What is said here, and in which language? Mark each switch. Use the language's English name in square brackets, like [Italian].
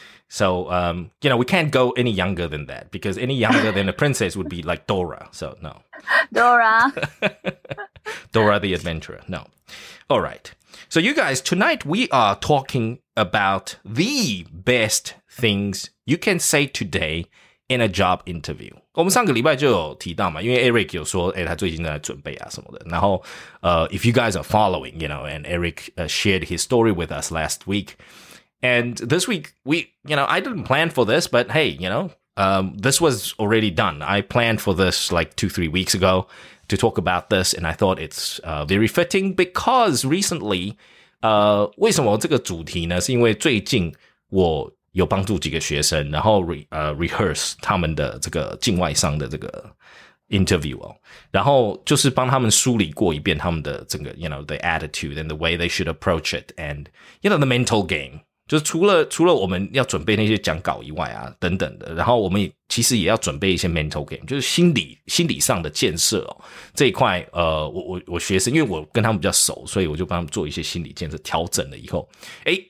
[English] So, you know, we can't go any younger than that because any younger than a princess would be like Dora. So, no. Dora the Adventurer. No. All right. So you guys, tonight we are talking about the best things you can say today in a job interview. [Chinese] 我们上个礼拜就有提到嘛，因为 Eric 有说，哎，他最近在准备啊什么的。 [English] 然后，if you guys are following, you know, and Eric shared his story with us last week, and this week I didn't plan for this, but hey, you know, this was already done. I planned for this like 2-3 weeks ago to talk about this, and I thought it's very fitting because recently, [Chinese] 为什么这个主题呢？是因为最近我有帮助几个学生，然后 rehearse 他们的这个境外商的这个 interview 哦，然后就是帮他们梳理过一遍他们的整个 [English] you know the attitude and the way they should approach it and you know the mental game， [Chinese] 就是除了我们要准备那些讲稿以外啊等等的，然后我们其实也要准备一些 mental game， 就是心理上的建设哦这一块，我学生因为我跟他们比较熟，所以我就帮他们做一些心理建设调整了以后，哎。